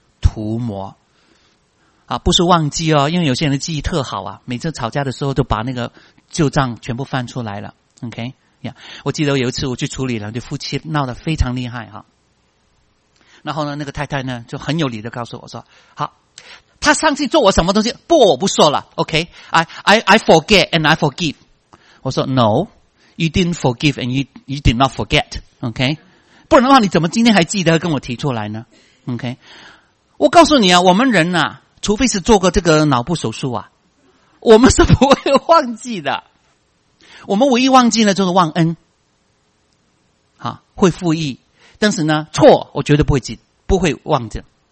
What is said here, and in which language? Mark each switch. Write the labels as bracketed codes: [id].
[zh] 涂抹啊，不是忘记哦，因为有些人的记忆特好啊，每次吵架的时候就把那个旧账全部翻出来了。 [en] OK。 [zh] Yeah, 我记得有一次我去处理了，就夫妻闹得非常厉害哈。然后呢，那个太太呢就很有理的告诉我说：“好，他上次做我什么东西？不，我不说了。OK， [en] I forget and I forgive。” [zh] 我说 [en] ：“No, you didn't forgive and you did not forget. [zh] OK， 不然的话，你怎么今天还记得跟我提出来呢 ？OK， 我告诉你啊，我们人啊，除非是做过这个脑部手术啊，我们是不会忘记的。” 我们唯一忘记呢就是忘恩，好，会复议，但是呢错我绝对不会记，不会忘记。